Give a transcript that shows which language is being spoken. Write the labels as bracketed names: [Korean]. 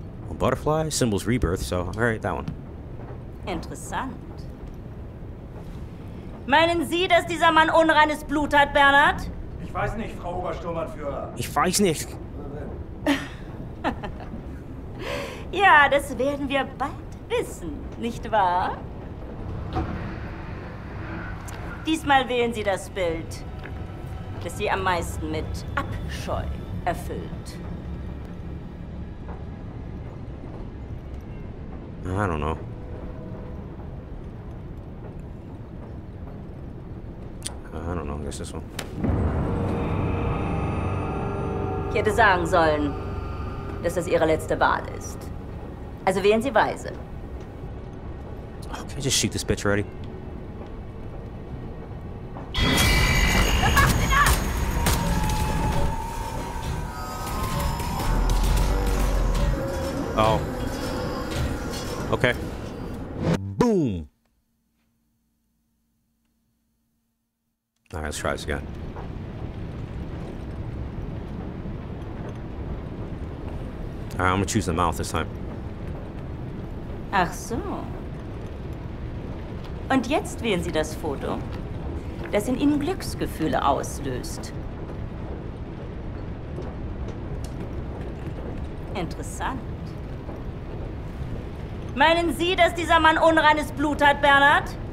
[English] A butterfly symbols rebirth, so all right, that one. [German] Interessant. Meinen Sie, dass dieser Mann unreines Blut hat, Bernhard? Ich weiß nicht, Frau Obersturmbannführer. Ich weiß nicht. Ja, das werden wir bald wissen, nicht wahr? Diesmal wählen Sie das Bild, das Sie am meisten mit Abscheu erfüllt. [English] I don't know. I guess this one. [German] Ich hätte sagen sollen, dass das Ihre letzte Wahl ist. Also wählen Sie weise. [English] Oh, can I just shoot this bitch already? Oh. Okay. Boom. Let's try this again. All right, I'm gonna choose the mouth this time. [German] Ach so. Und jetzt wählen Sie das Foto, das in Ihnen Glücksgefühle auslöst. Interessant. Meinen Sie, dass dieser Mann unreines Blut hat, Bernhard?